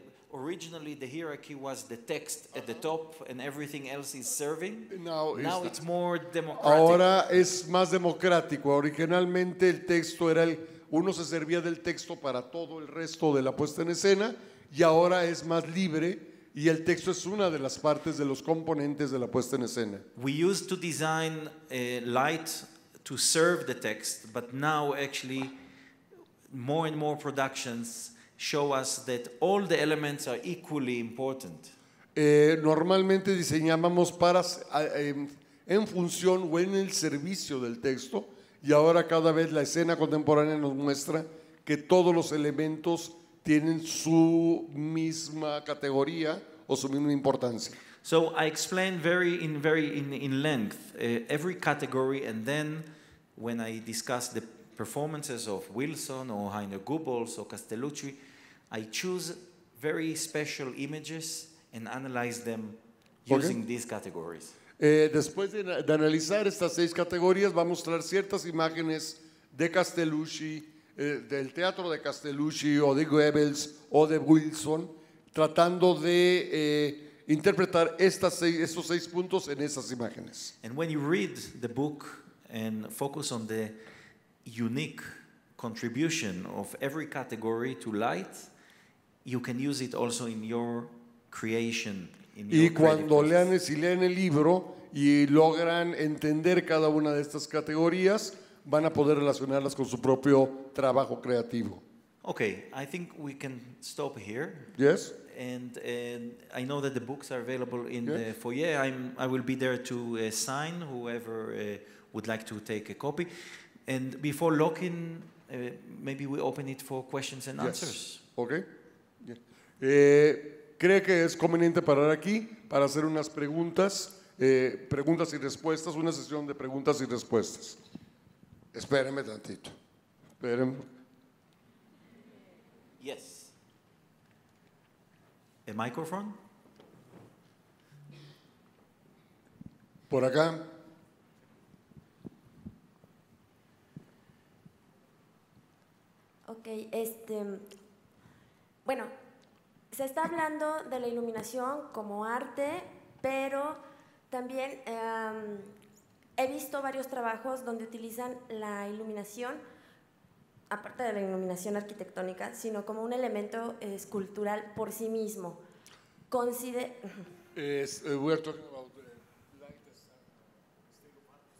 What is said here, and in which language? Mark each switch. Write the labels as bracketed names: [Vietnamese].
[English] Originally the hierarchy was the text at the top and everything else is serving. Now it's more democratic. [Spanish] Ahora es más democrático. Originalmente el texto era uno se servía del texto para todo el resto de la puesta en escena y ahora es más libre. Y el texto es una de las partes de los componentes de la puesta en escena. [English] We used to design light to serve the text, but now actually more and more productions show us that all the elements are equally important. [Spanish] Normalmente diseñábamos para en función o en el servicio del texto, y ahora cada vez la escena contemporánea nos muestra que todos los elementos tienen su misma categoría o su misma importancia. [English] So I explain very in length every category, and then when I discuss the performances of Wilson or Heiner Goebbels or Castellucci, I choose very special images and analyze them using these categories. [Spanish] Después de analizar estas seis categorías, va a mostrar ciertas imágenes de Castellucci, del teatro de Castellucci o de Goebbels o de Wilson, tratando de interpretar estos seis puntos en esas imágenes. [English] And when you read the book and focus on the unique contribution of every category to light, you can use it also in your creation. [Spanish] Y cuando lean y leen el libro y logran entender cada una de estas categorías, van a poder relacionarlas con su propio trabajo creativo. [English] Okay, I think we can stop here. Yes. And I know that the books are available in the foyer. I will be there to sign whoever would like to take a copy. And before locking, maybe we open it for questions and answers. Okay. Yeah. [Spanish] ¿Cree que es conveniente parar aquí para hacer unas preguntas, preguntas y respuestas, una sesión de preguntas y respuestas? Espérenme tantito. Espérenme. [English] Yes. A microphone? [Spanish] Por acá. Okay, bueno, se está hablando de la iluminación como arte, pero también he visto varios trabajos donde utilizan la iluminación, aparte de la iluminación arquitectónica, sino como un elemento escultural por sí mismo. [English] We're talking about the light as a state of art.